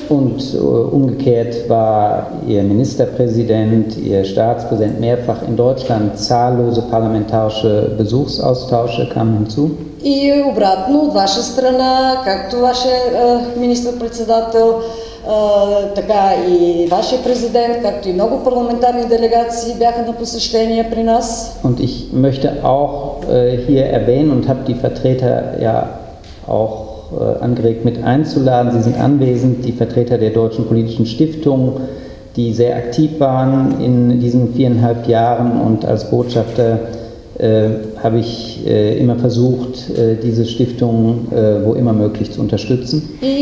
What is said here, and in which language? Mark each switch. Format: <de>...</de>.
<de>Und umgekehrt war ihr Ministerpräsident, ihr Staatspräsident mehrfach in Deutschland, zahllose parlamentarische Besuchsaustausche kamen hinzu.</de> <bg>И обратно от ваша страна, както вашия министър-председател, така и вашия президент, както и много парламентарни делегации бяха на посещение при нас.</bg> <de>Und ich möchte auch hier erwähnen und habe die Vertreter ja auch angeregt mit einzuladen. Sie sind anwesend, die Vertreter der Deutschen Politischen Stiftung, die sehr aktiv waren in diesen 4,5 Jahren und als Botschafter habe ich immer versucht, diese Stiftung wo immer möglich zu unterstützen.</de>